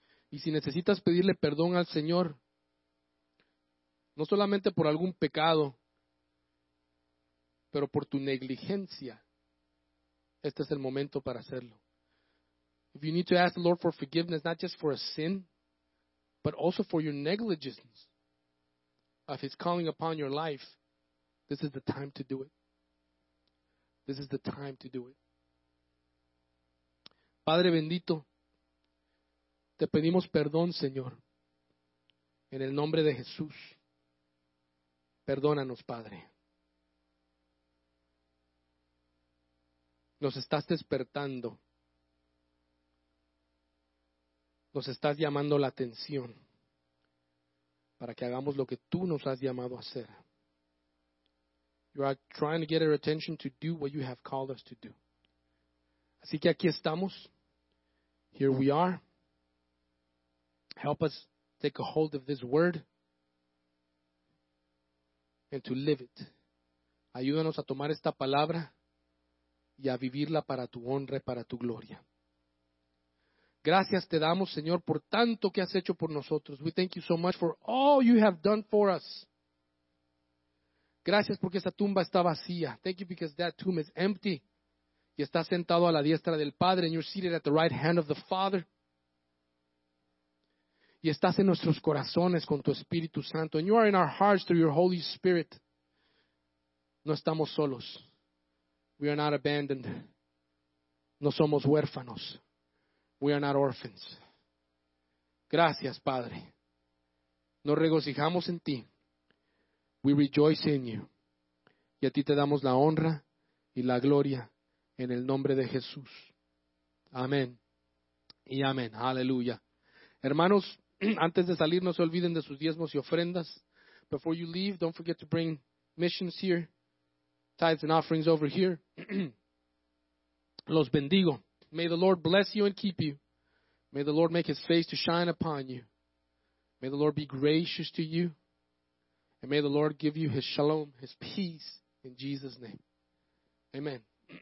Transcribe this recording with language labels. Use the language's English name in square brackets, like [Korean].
[Spanish] Y si necesitas pedirle perdón al Señor, no solamente por algún pecado, pero por tu negligencia, este es el momento para hacerlo. [English] If you need to ask the Lord for forgiveness, not just for a sin, but also for your negligence of His calling upon your life, this is the time to do it. This is the time to do it. [Spanish] Padre bendito, te pedimos perdón, Señor, en el nombre de Jesús. Perdónanos, Padre. Nos estás despertando. Nos estás llamando la atención para que hagamos lo que tú nos has llamado a hacer. [English] You are trying to get our attention to do what you have called us to do. [Spanish] Así que aquí estamos. [English] Here we are. Help us take a hold of this word and to live it. [Spanish] Ayúdanos a tomar esta palabra y a vivirla para tu honra y para tu gloria. Gracias te damos, Señor, por tanto que has hecho por nosotros. [English] We thank you so much for all you have done for us. [Spanish] Gracias porque esa tumba está vacía. [English] Thank you because that tomb is empty. [Spanish] Y estás sentado a la diestra del Padre, [English] and you're seated at the right hand of the Father. [Spanish] Y estás en nuestros corazones con tu Espíritu Santo. [English] And you are in our hearts through your Holy Spirit. [Spanish] No estamos solos. [English] We are not abandoned. [Spanish] No somos huérfanos. [English] We are not orphans. [Spanish] Gracias, Padre. Nos regocijamos en ti. [English] We rejoice in you. [Spanish] Y a ti te damos la honra y la gloria en el nombre de Jesús. Amén. Y amén. Aleluya. Hermanos, antes de salir, no se olviden de sus diezmos y ofrendas. [English] Before you leave, don't forget to bring missions here. Tithes and offerings over here. [Spanish] Los bendigo. [English] May the Lord bless you and keep you. May the Lord make His face to shine upon you. May the Lord be gracious to you. And may the Lord give you His shalom, His peace, in Jesus' name. Amen.